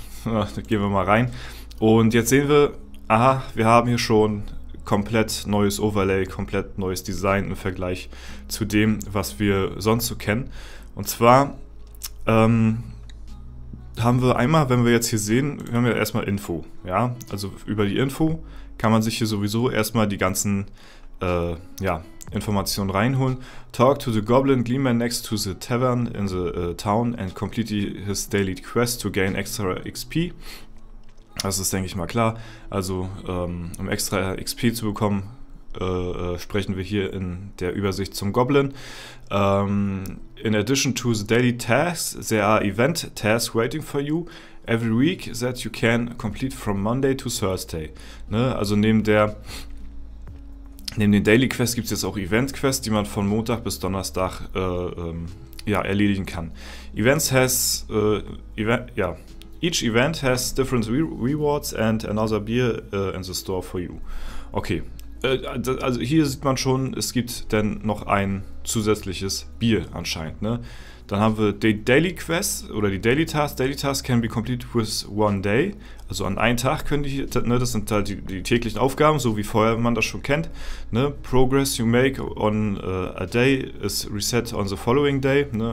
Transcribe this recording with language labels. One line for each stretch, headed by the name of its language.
German: Ja, dann gehen wir mal rein. Und jetzt sehen wir, aha, wir haben hier schon komplett neues Overlay, komplett neues Design im Vergleich zu dem, was wir sonst so kennen. Und zwar haben wir einmal, wenn wir jetzt hier sehen, wir haben ja erstmal Info. Ja, also über die Info kann man sich hier sowieso erstmal die ganzen Informationen reinholen.
English: Talk to the Goblin Gleeman next to the tavern in the town and complete his daily quest to gain extra XP.
German: Das ist, denke ich mal, klar. Also, um extra XP zu bekommen, sprechen wir hier in der Übersicht zum Goblin.
English: In addition to the daily tasks, there are event tasks waiting for you every week that you can complete from Monday to Thursday.
German: Ne? Also neben den Daily Quests gibt es jetzt auch Event Quests, die man von Montag bis Donnerstag erledigen kann.
English: Events has each event has different rewards and another beer in the store for you.
German: Okay, also hier sieht man schon, es gibt dann noch ein zusätzliches Bier anscheinend. Ne? Dann haben wir die Daily Quests oder die Daily Tasks.
English: Daily Tasks can be completed with one day.
German: Also an einem Tag können die, ne, das sind halt die täglichen Aufgaben, so wie vorher man das schon kennt. Ne?
English: Progress you make on a day is reset on the following day, ne?